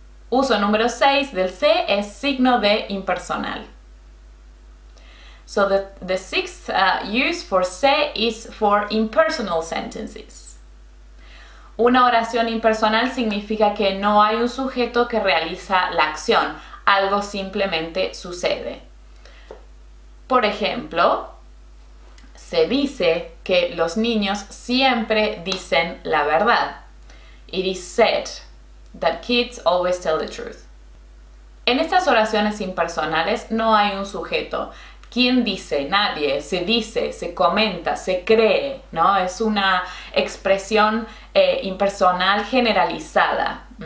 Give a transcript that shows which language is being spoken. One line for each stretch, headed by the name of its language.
Spanish: Uso número 6 del C es signo de impersonal.
English: So the sixth use for C is for impersonal sentences.
Spanish: Una oración impersonal significa que no hay un sujeto que realiza la acción. Algo simplemente sucede. Por ejemplo, se dice que los niños siempre dicen la verdad.
English: It is said that kids always tell the truth.
Spanish: En estas oraciones impersonales no hay un sujeto. ¿Quién dice? Nadie. Se dice, se comenta, se cree, ¿no? Es una expresión impersonal generalizada.